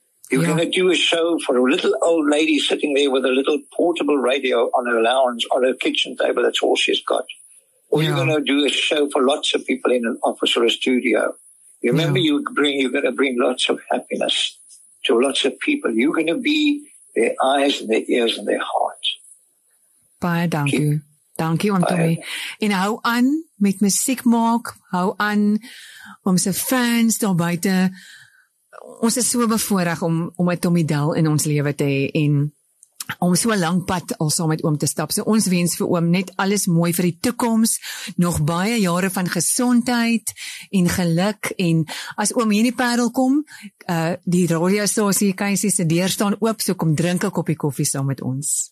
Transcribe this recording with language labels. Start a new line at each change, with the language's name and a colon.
English: You're going to do a show for a little old lady sitting there with a little portable radio on her lounge, on her kitchen table, that's all she's got. Or you're going to do a show for lots of people in an office or a studio. Remember, you're going to bring lots of happiness to lots of people. You're going to be their eyes and their ears and their heart.
Afrikaans: Baie dankie. Dankie, oom Tommy. En hou aan met muziek maak, hou aan om sy fans daar buiten. Ons is so bevoorreg om met Tommy Del in ons lewe te hê en om so 'n lang pad al saam met oom te stap. So ons wens vir oom net alles mooi vir die toekoms, nog baie jare van gesondheid en geluk, en as oom hier in die Parel kom, die radiostasie Keisie se deur staan oop, so kom drink 'n koppie koffie saam met ons.